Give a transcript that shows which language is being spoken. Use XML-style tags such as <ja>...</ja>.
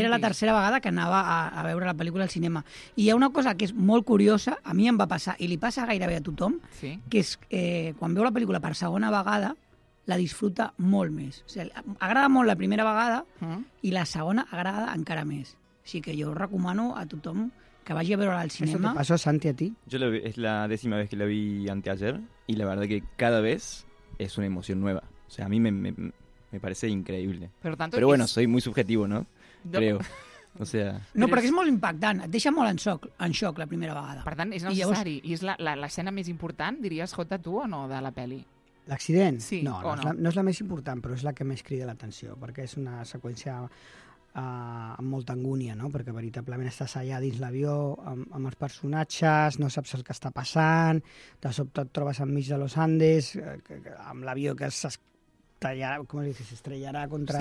<ca>Era la tercera vegada que anava a veure la pel·lícula al cinema. I hi ha una cosa que és molt curiosa, a mi em va passar, i li passa gairebé a tothom, sí, que és quan veu la pel·lícula per segona vegada, la disfruta molt més. O sigui, agrada molt la primera vegada, i la segona agrada encara més. Així que jo recomano a tothom... que vagi a veure-la al cinema. Això</ca> <es>te pasó, Santi, a ti? Yo la vi, es la décima vez que la vi anteayer y la verdad que cada vez es una emoción nueva. O sea, a mí me parece increíble. Pero, tanto pero bueno, soy muy subjetivo, ¿no? Creo. O sea...</es> <ca>No, perquè és molt impactant. Et deixa molt en xoc la primera vegada. Per tant, és necessari. I, llavors... I és l'escena més important, diries, Jota, tu o no, de la peli? L'accident? Sí, no, o no? No és la més important, però és la que més crida l'atenció, perquè és una seqüència... amb molta angúnia, no? Perquè veritablement estàs allà dins l'avió amb els personatges, no saps el que està passant, de sobte et trobes enmig de los Andes, amb l'avió que s'estrellarà contra...</ca>